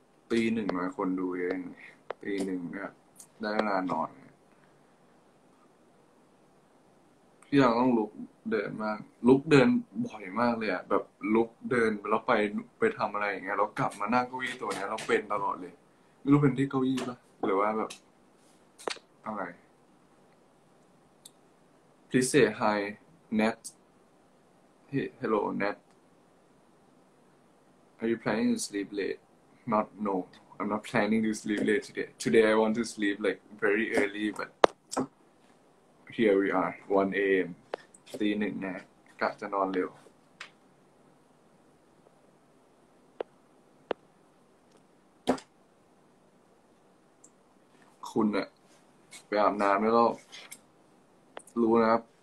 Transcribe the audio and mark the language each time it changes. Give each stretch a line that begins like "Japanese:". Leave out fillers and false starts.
Thai: ตีหนึ่งหลายคนดูเองตีหนึ่งเนี่ยได้เวลานอนพี่ยังต้องลุกเดินมากลุกเดินบ่อยมากเลยอะแบบลุกเดินแล้วไปทำอะไรอย่างเงี้ยแล้วกลับมานั่งเก้าอี้ตัวเนี้ยเราเป็นตลอดเลยไม่รู้เป็นที่เก้าอี้ปะหรือว่าแบบอะไร
English: Please say hi Nat Hello Nat Are you planning to sleep late? Not no I'm not planning to sleep late today Today I want to sleep like very early butHere we are 1 a.m.
Thai: ตีหนึ่งนะกะจะนอนเร็วคุณอะไปอาบน้ำแล้วก็รู้นะครับ